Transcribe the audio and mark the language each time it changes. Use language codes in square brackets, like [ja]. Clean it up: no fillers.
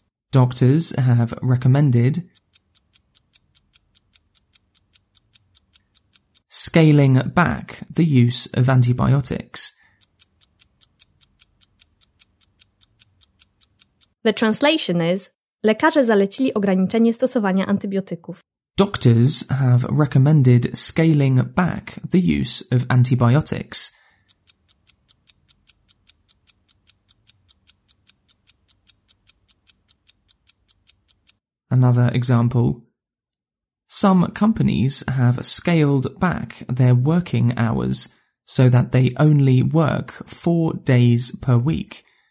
[en] Doctors have recommended scaling back the use of antibiotics. The translation is: [pl] lekarze zalecili ograniczenie stosowania antybiotyków. [en] Doctors have recommended scaling back the use of antibiotics. Another example. Some companies have scaled back their working hours so that they only work 4 days per week.